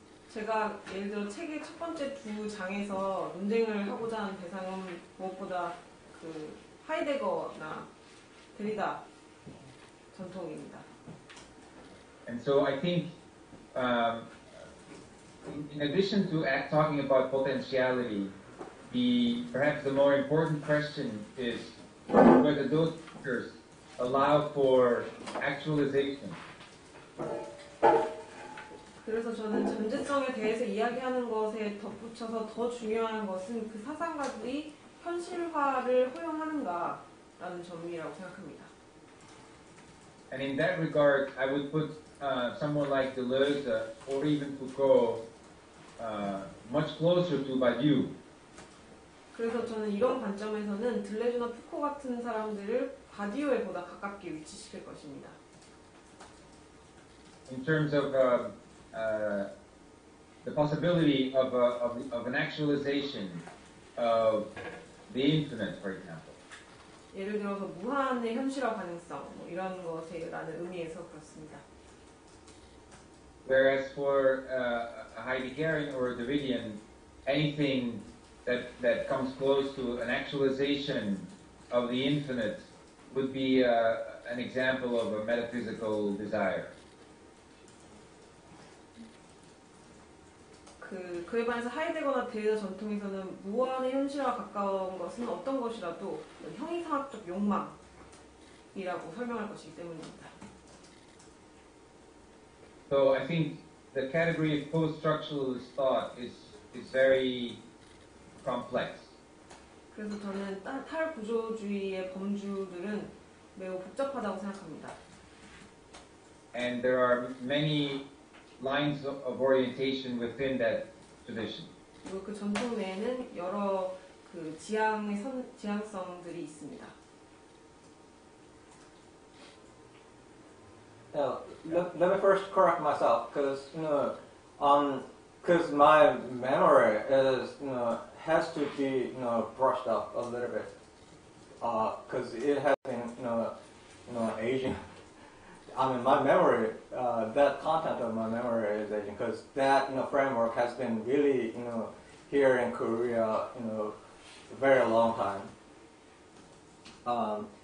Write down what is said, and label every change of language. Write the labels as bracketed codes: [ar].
[ko] 제가 예를 들어 책의 첫 번째 두 장에서 논쟁을 하고자 하는 대상은 무엇보다 그 하이데거나 데리다 전통입니다. [en] And so I think in addition to talking about potentiality, perhaps the more important question is whether those figures allow for actualization. [ko] 그래서 저는 존재성에 대해서 이야기하는 것에 덧붙여서 더 중요한 것은 그 사상가들이 현실화를 허용하는가라는 점이라고 생각합니다. [en] And in that regard, I would put someone like Deleuze or even Foucault much closer to Badiou. [ko] 그래서 저는 이런 관점에서는 들레즈나 푸코 같은 사람들을 바디우에 보다 가깝게 위치시킬 것입니다. [en] In terms of the possibility of an actualization of the infinite, for example. [ko] 예를 들어서 무한의 현실화 가능성 뭐 이런 것이라는 의미에서 그렇습니다. [en] Whereas for a Heideggerian or a Derridian, anything that comes close to an actualization of the infinite would be an example of a metaphysical desire. [ko] 그에 반해서 하이데거나 데리다 전통에서는 무한의 현실화 가까운 것은 어떤 것이라도 형이상학적 욕망이라고 설명할 것이기 때문입니다. [en] So I think the category of post-structuralist thought is very complex. [ko] 그래서 저는 탈구조주의의 범주들은 매우 복잡하다고 생각합니다. [en] And there are many lines of orientation within that tradition. [ko] 그리고 그 전통 내에는 여러 그 지향의 지향성들이 있습니다. [en] Let me first correct myself, because my memory is has to be brushed up a little bit, because it has been you know, aging. I mean, my memory, that content of my memory is aging, because that, you know, framework has been really, you know, here in Korea, you know, a very long time.